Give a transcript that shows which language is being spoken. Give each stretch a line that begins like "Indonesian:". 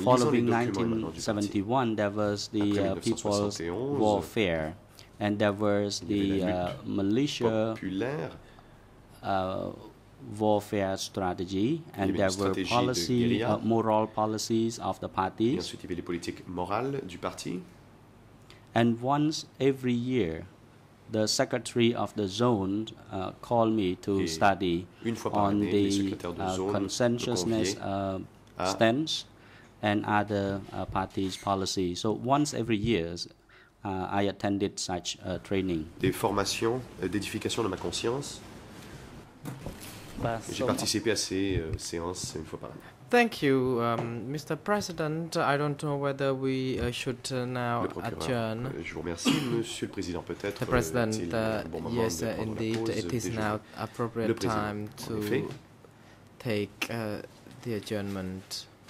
English: following 1971, there was the People's Warfare, and there was the militia
French: populaire.
English: Warfare strategy, and there were policy, moral policies of the party.
French: Et ensuite, il y avait les politiques morales du parti.
English: And once every year, the secretary of the zone called me to study on the consensus stance and other parties' policies. So once every year, I attended such training.
French: Des formations d'édification de ma conscience. J'ai participé à ces séances une fois par an.
English: Thank you, Mr. President. I don't know whether we should now adjourn.
French: Je vous remercie, Monsieur le Président. Peut-être.
English: The President, yes, indeed, it is now appropriate time to take the adjournment.